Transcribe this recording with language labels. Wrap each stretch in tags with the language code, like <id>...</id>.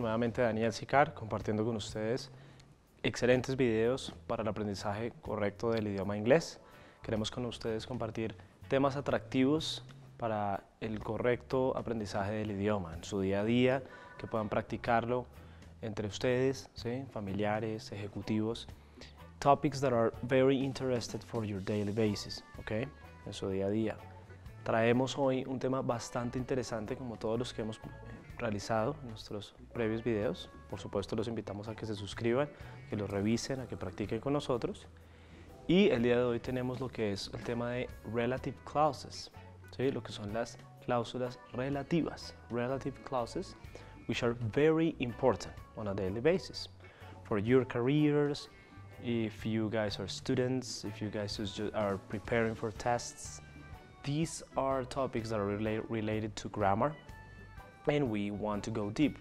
<es>Nuevamente Daniel Sicar compartiendo con ustedes excelentes videos para el aprendizaje correcto del idioma inglés. Queremos con ustedes compartir temas atractivos para el correcto aprendizaje del idioma en su día a día, que puedan practicarlo entre ustedes, ¿sí? Familiares, ejecutivos.</es> <en>Topics that are very interested for your daily basis, ¿okay?</en> <es>En su día a día. Traemos hoy un tema bastante interesante como todos los que hemos realizado en nuestros previos videos. Por supuesto, los invitamos a que se suscriban, que los revisen, a que practiquen con nosotros. Y el día de hoy tenemos lo que es el tema de relative clauses, ¿sí? Lo que son las cláusulas relativas,</es> <en>relative clauses, which are very important on a daily basis for your careers. If you guys are students, if you guys are preparing for tests, these are topics that are related to grammar, and we want to go deep.</en>